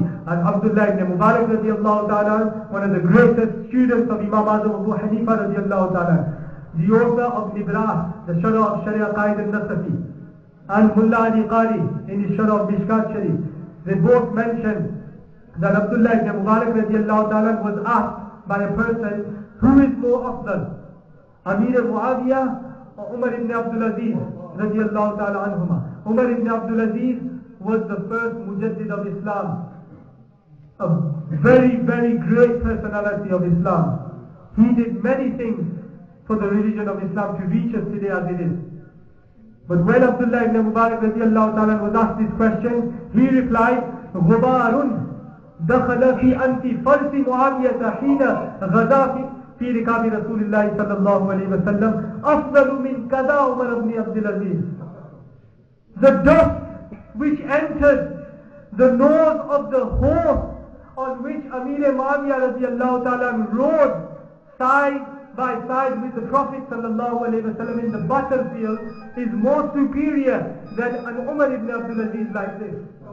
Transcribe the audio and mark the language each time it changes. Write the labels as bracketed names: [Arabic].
[English] And Abdullah ibn Mubarak radiallahu ta'ala, one of the greatest students of Imam Azam Abu Hanifa radiallahu ta'ala, the author of Nibrah, the Sharah of Sharia Qaid al-Nasafi, and Mullah Ali Qari in the Sharah of Mishkat Sharif, they both mentioned that Abdullah ibn Mubarak radiallahu ta'ala was asked by a person, who is more afdal, Amir Muawiyah or Umar ibn Abdul Aziz radiallahu ta'ala anhuma. Umar ibn Abdul Aziz was the first mujaddid of Islam, a very, very great personality of Islam. He did many things for the religion of Islam to reach us today as it is. [Arabic] But when Abdullah ibn Mubarak radiallahu ta'ala was asked this question, he replied, غُبَارٌ دَخَلَ فِي أَنْتِ فَرْسِ مُعَامِيَةَ حِينَ غَدَى فِي رِكَابِ رَسُولِ اللَّهِ صَلَى اللَّهُ عَلَيْهِ وَسَلَّمْ أَفْضَلُ مِنْ كَذَا عُمَرَ بْنِ عَبْدِ الْعَزِيزِ. [English] The dust which entered the nose of the horse on which Amir Muawiyah radiallahu ta'ala rode side by side with the Prophet sallallahu alayhi wa sallam in the battlefield is more superior than an Umar ibn Abdul Aziz like this.